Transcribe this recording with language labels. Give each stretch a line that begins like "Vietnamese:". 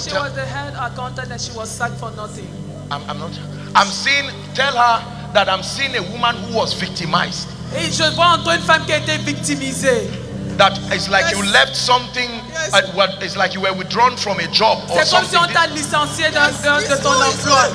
English: She was the head accountant and she was sacked for nothing. Tell her that I'm seeing a woman who was victimized.
French: Et je vois entre une femme qui a été victimisée.
English: That it's like you left something. Yes. What, it's like you were withdrawn from a job or
French: c'est
English: something.
French: Comme si on t'a licencié d'un de ton emploi.